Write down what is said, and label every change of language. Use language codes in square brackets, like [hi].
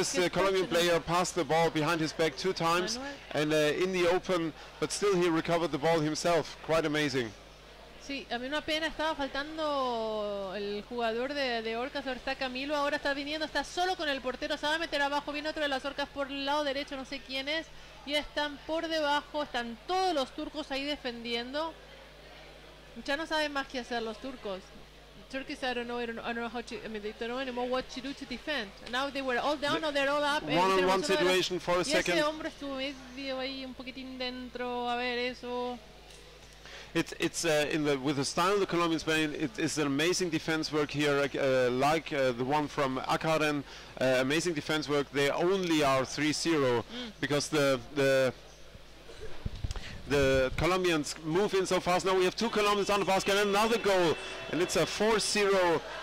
[en] Colombian player passed the ball behind his back two times Manuel. And in the open, but still he recovered the ball himself. Quite amazing. [es] Sí, a mí una pena, estaba faltando el jugador de Orcas, ahora está Camilo, ahora está viniendo, está solo con el portero, se va a meter abajo, viene otro de las Orcas por el lado derecho, no sé quién es, y están por debajo, están todos los turcos ahí defendiendo. Ya no saben más qué hacer los turcos. [en] Turkish, I don't know anymore what to do to defend. Now they were all down, or they're all up. One-on-one situation for a second. [es] Y ese hombre estuvo medio ahí un poquitín dentro, a ver eso. [en] With the style of the Colombian Spain, it is an amazing defense work here, like the one from Akaren. Amazing defense work. They only are 3-0 because the Colombians move in so fast. Now we have two Colombians on the basket and another goal, and it's a 4-0